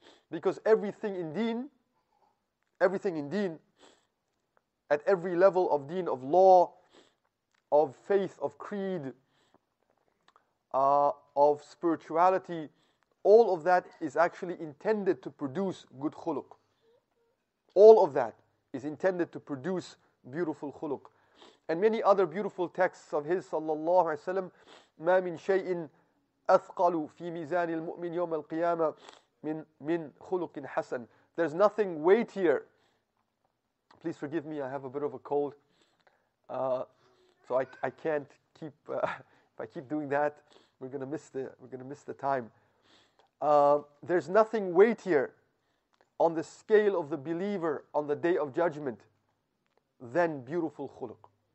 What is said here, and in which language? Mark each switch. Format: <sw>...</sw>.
<en>Because everything in deen, at every level of deen, of law, of faith, of creed, of spirituality, all of that is actually intended to produce good khuluq. All of that is intended to produce beautiful khuluq. And many other beautiful texts of his,</en> <ar>sallallahu alayhi wa sallam, مَا مِنْ شَيْءٍ أَثْقَلُ فِي مِيزَانِ الْمُؤْمِنِ يَوْمَ الْقِيَامَةِ مِنْ خُلُقٍ حَسَنٍ.</ar> <en>There's nothing weightier. Please forgive me, I have a bit of a cold. So I can't keep, if I keep doing that, we're going to miss the time. There's nothing weightier on the scale of the believer on the Day of Judgment than beautiful khuluq.</en>